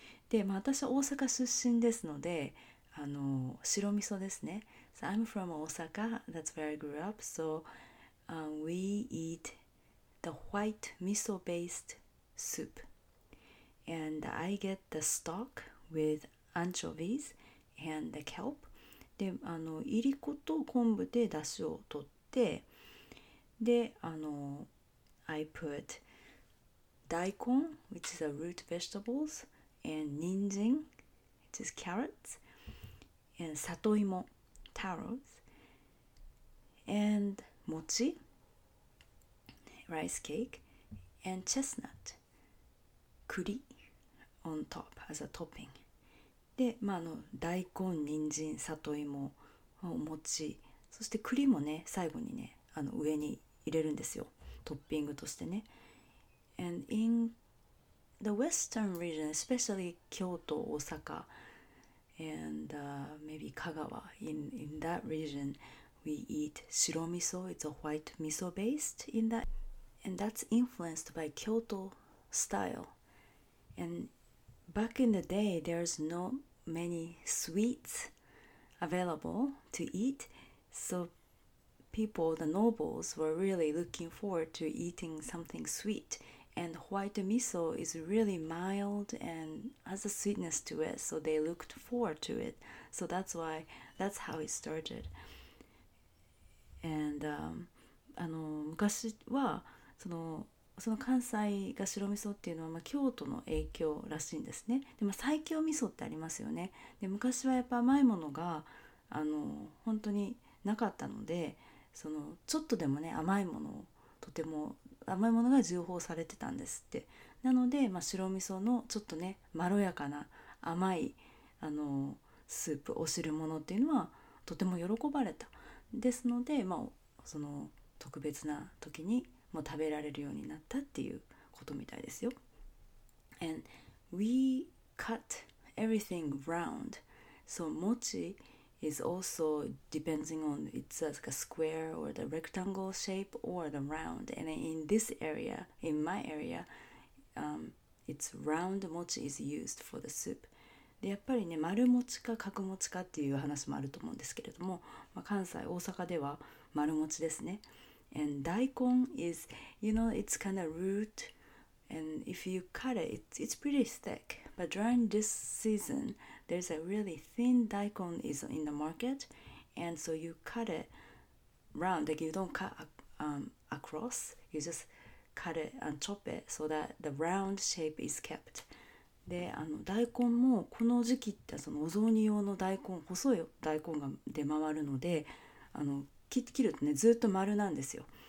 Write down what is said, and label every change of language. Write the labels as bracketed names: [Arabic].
[Japanese] で、まあ、私は大阪出身ですので、白味噌ですね。 [English] So I'm from Osaka, that's where I grew up. So we eat the white miso based soup. And I get the stock with anchovies and the kelp. [Japanese] で、いりこと昆布でだしをとって、で、 [English] I put daikon, which is a root vegetables, and ninjin, which is carrots, and satoimo, taro, and mochi, rice cake, and chestnut, kuri, on top as a topping. [Japanese] で、まあ、大根、人参、里芋、お餅、そして栗もね、最後にね、上に入れるんですよ、トッピングとしてね。 [English] And in the western region, especially Kyoto, Osaka, and maybe Kagawa, in that region, we eat 白味噌, it's a white 味噌 based in that, and that's influenced by Kyoto style. And back in the day, there's no many sweets available to eat, so people, the nobles, were really looking forward to eating something sweet. And white miso is really mild and has a sweetness to it, so they looked forward to it. So that's how it started. And [Japanese] 昔はその関西が白味噌っていうのは、まあ、京都の影響らしいんですね。でも西京味噌ってありますよね。で昔はやっぱ甘いものが本当になかったので、そのちょっとでもね甘いものをとても甘いものが重宝されてたんですって。なので、まあ、白味噌のちょっとねまろやかな甘いスープお汁物っていうのはとても喜ばれた。ですので、まあ、その特別な時にも食べられるようになったっていうことみたいですよ。 [English] And we cut everything round. So mochi is also depending on it's like a square or the rectangle shape or the round. And in this area, in my area, it's round mochi is used for the soup. [Japanese] で、やっぱりね、丸もちか角もちかっていう話もあると思うんですけれども、まあ、関西、大阪では丸もちですね。 [English] And daikon is, you know, it's kind of root. And if you cut it, it's pretty thick. But during this season,There's a really thin daikon is in the market, and so you cut it round, like you don't cut across, you just cut it and chop it so that the round shape is kept. [Japanese] で、大根もこの時期ってそのお雑煮用の大根、細い大根が出回るので、切るとね、ずっと丸なんですよ。